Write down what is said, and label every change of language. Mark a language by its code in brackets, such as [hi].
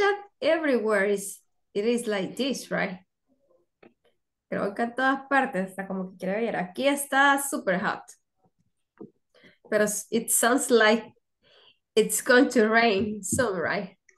[en] that everywhere is it is like this, right? [es] Creo que en todas partes está como que quiere ver. Aquí está super hot. [en] Pero it sounds like it's going to rain soon, right?